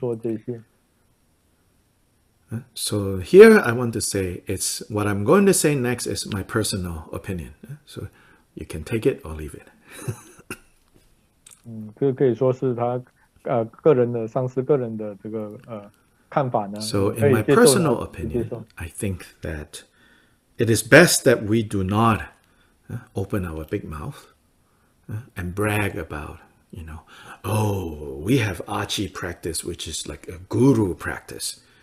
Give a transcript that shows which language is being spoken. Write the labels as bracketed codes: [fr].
[zh] 不过呢，同时呢，这秘密有时候呢讲说，我们不需要公开的到处的宣说，它有这个意思呢，就是说我们不随便的，而是公开的宣说这些。So [en] here I want to say it's what I'm going to say next is my personal opinion. So you can take it or leave it. [zh] 这可以说是他个人的上司个人的这个。 [en] So in my personal opinion, I think that it is best that we do not open our big mouth and brag about, you know, oh, we have Achi practice, which is like a guru practice.